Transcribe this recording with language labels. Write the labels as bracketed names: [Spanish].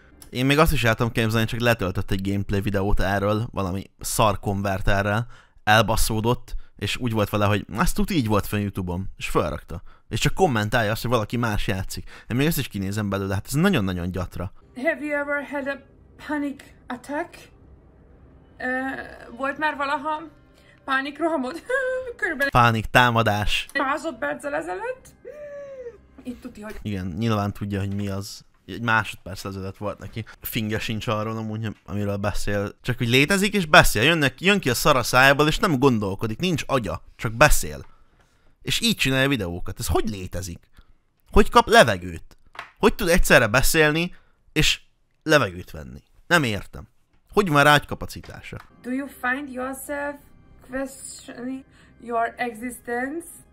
[Hungarian] Én még azt is álltam képzelni, csak letöltött egy gameplay videót erről, valami szar konverterrel, elbaszódott, és úgy volt vele, hogy ezt tudja, így volt fel YouTube-on, és felrakta. És csak kommentálja azt, hogy valaki más játszik. Én még ezt is kinézem belőle, hát ez nagyon-nagyon gyatra. [English] Have you ever had a panic attack? [Hungarian] Volt már valaha pánik rohamod? Körülbelül... Pánik támadás. Másodperccel ezelőtt? Itt tudja, hogy... Igen, nyilván tudja, hogy mi az. Egy másodperc ezelőtt volt neki. Finge sincs arról amúgy, amiről beszél. Csak hogy létezik és beszél. Jön ki a szar a szájából és nem gondolkodik. Nincs agya. Csak beszél. És így csinálja videókat. Ez hogy létezik? Hogy kap levegőt? Hogy tud egyszerre beszélni és levegőt venni? Nem értem. Hogy van rá egy kapacitása? [English] Do you find yourself questioning your existence?